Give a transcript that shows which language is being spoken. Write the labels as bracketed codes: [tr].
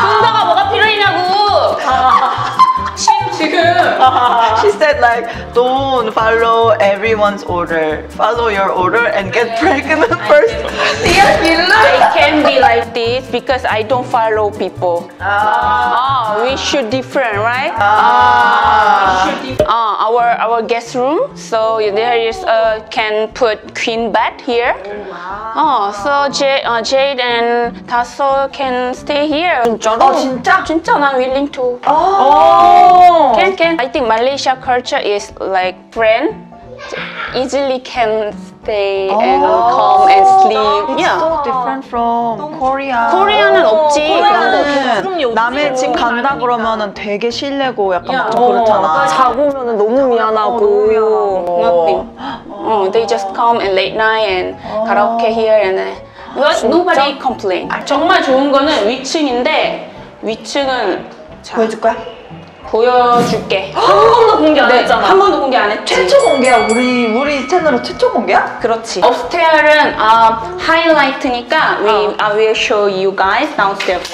[ko] 순서가 뭐가 필요하냐고. 지금. [en] She said like, don't follow everyone's order. Follow your order and get pregnant first. I can be like. like this because I don't follow people. We should different, right? Our guest room. So there is a can put queen bed here. Oh, wow. So Jade and Taso can stay here. [ko] Oh, 진짜? 진짜, [en] I'm willing to. Oh. Can. I think Malaysia culture is like friend. Easily can stay and come and sleep. It's yeah. So different from Korea. [ko] Korea는 없지. 그러면 남의 집 간다 그러면은 되게 실례고 약간 막 그렇잖아. 자고 오면은 너무 미안하고. [en] Nothing. They just come and late night and karaoke here and nobody complain. [ko] 정말 좋은 거는 위층인데 위층은 보여줄 거야? 보여줄게. 한 번도 공개 안 했잖아. 한 번도 공개 안 했지. 최초 공개야. 우리 채널은 최초 공개야? 그렇지. Upstairs은 하이라이트니까 [en] I will show you guys downstairs.